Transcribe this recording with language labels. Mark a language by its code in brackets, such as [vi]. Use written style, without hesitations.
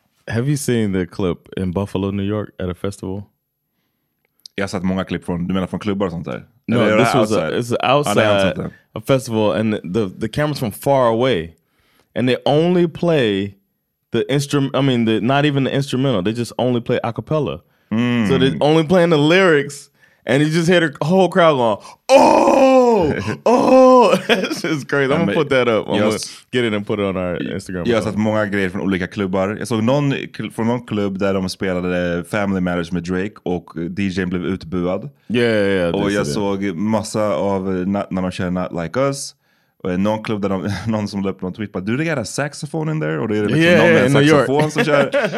[en] Have you seen the clip in Buffalo, New York at a festival? [sv] Jag har sett många klipp från, du menar från klubbar och sånt där? [en] No, eller this was outside a festival and the camera's from far away. And they only play the instrument. I mean, not even the instrumental. They just only play a cappella. So they only playing the lyrics, and you just hear the whole crowd going, "Oh, oh!" That's just crazy. I'm gonna put that up. I'm gonna get it and put it on our Instagram. [sv] Jag har sett många grejer från olika klubbar. Jag såg någon från någon klubb där de spelade Family Matters med Drake och DJ:n blev utbuad. [en] Yeah. [sv] Och jag såg massa av när de körde Not Like Us. Någon klubb där någon som löpte någon tweet bara, [en] do they got a saxophone in there? [sv] Och det är liksom någon saxofon som kör.